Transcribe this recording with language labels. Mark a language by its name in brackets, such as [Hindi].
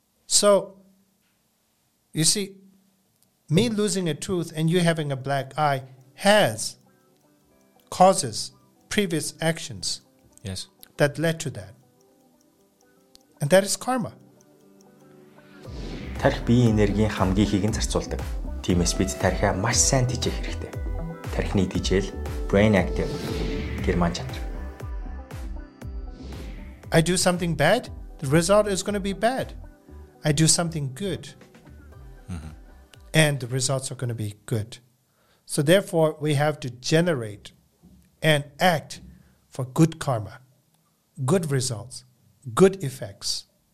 [English] So, you see, me losing a tooth and you having a black eye has causes, previous actions that led to that. And that is karma. [Mongolian] Тарих биеийн энергийн хамгийн хэгийг зарцуулдаг. Тиймээс бид тарихаа маш сайн тэжээх хэрэгтэй. Тарихны тэжээл Brain Active герман чанар. [English] I do something bad, the result is going to be bad. I do something good, and the results are going to be good. So therefore, we have to generate and act for good karma, good results, good effects.